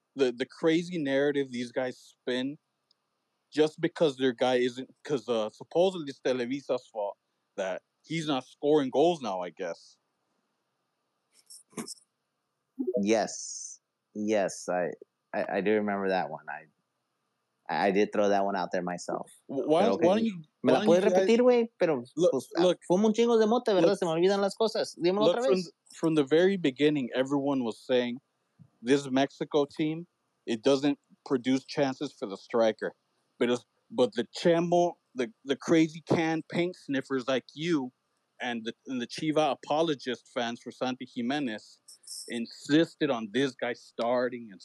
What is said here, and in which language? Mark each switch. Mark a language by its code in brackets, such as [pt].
[en] The crazy narrative these guys spin just because their guy isn't, because supposedly it's Televisa's fault that he's not scoring goals now, I guess. Yes, I do remember that one. I did throw that one out there myself. Why don't you? [es] Me la puedes repetir, güey? Pero look, fumo un chingo de mota, ¿verdad? Se me olvidan las cosas. Dímelo otra vez. [en] From the very beginning, everyone was saying this Mexico team, it doesn't produce chances for the striker. But the chamo, the crazy can paint sniffers like you and the Chiva apologist fans for Santi Jimenez insisted on this guy starting.